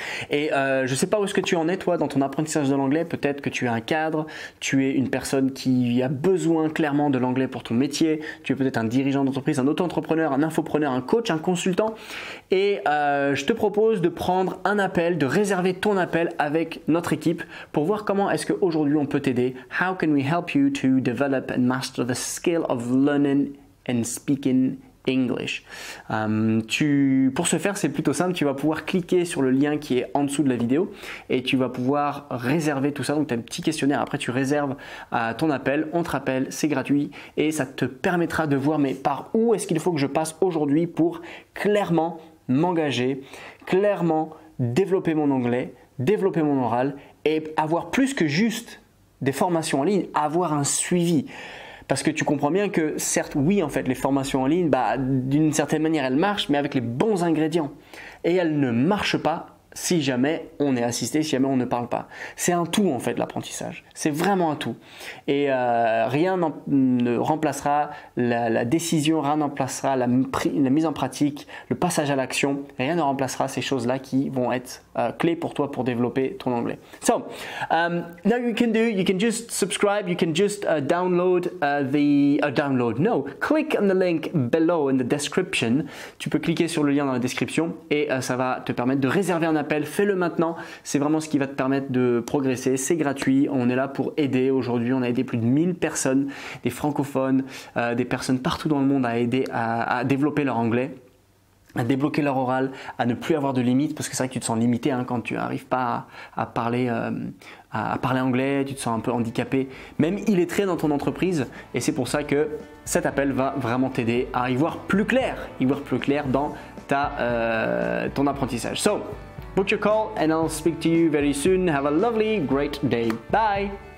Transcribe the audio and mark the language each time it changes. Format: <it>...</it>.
<fr>Et je ne sais pas où est-ce que tu en es, toi, dans ton apprentissage de l'anglais. Peut-être que tu es un cadre, tu es une personne qui a besoin clairement de l'anglais pour ton métier. Tu es peut-être un dirigeant d'entreprise, un auto-entrepreneur, un infopreneur, un coach, un consultant. Et je te propose de prendre un appel, de réserver ton appel avec notre équipe pour voir comment est-ce qu'aujourd'hui on peut t'aider.</fr> <en>How can we help you to develop and master the skill of learning and speaking English.</en> <fr>Pour ce faire, c'est plutôt simple. Tu vas pouvoir cliquer sur le lien qui est en dessous de la vidéo et tu vas pouvoir réserver tout ça. Donc, tu as un petit questionnaire. Après, tu réserves ton appel. On te rappelle, c'est gratuit et ça te permettra de voir mais par où est-ce qu'il faut que je passe aujourd'hui pour clairement m'engager, clairement développer mon anglais, développer mon oral et avoir plus que juste des formations en ligne, avoir un suivi. Parce que tu comprends bien que certes, oui, en fait, les formations en ligne, bah, d'une certaine manière, elles marchent, mais avec les bons ingrédients. Et elles ne marchent pas si jamais on est assisté, si jamais on ne parle pas. C'est un tout, en fait, l'apprentissage. C'est vraiment un tout. Et rien ne remplacera la décision, rien ne remplacera la mise en pratique, le passage à l'action. Rien ne remplacera ces choses-là qui vont être clés pour toi pour développer ton anglais.</fr> <en>So, now you can do, you can just subscribe, you can just download download, no, click on the link below in the description.</en> <fr>Tu peux cliquer sur le lien dans la description et ça va te permettre de réserver un appel. Fais-le maintenant, c'est vraiment ce qui va te permettre de progresser. C'est gratuit, on est là pour aider. Aujourd'hui, on a aidé plus de 1000 personnes, des francophones, des personnes partout dans le monde à aider à développer leur anglais, à débloquer leur oral, à ne plus avoir de limites, parce que c'est vrai que tu te sens limité hein, quand tu n'arrives pas à parler anglais, tu te sens un peu handicapé, même illettré dans ton entreprise. Et c'est pour ça que cet appel va vraiment t'aider à y voir plus clair dans ton apprentissage.</fr> <en>So, book your call and I'll speak to you very soon. Have a lovely, great day. Bye!</en>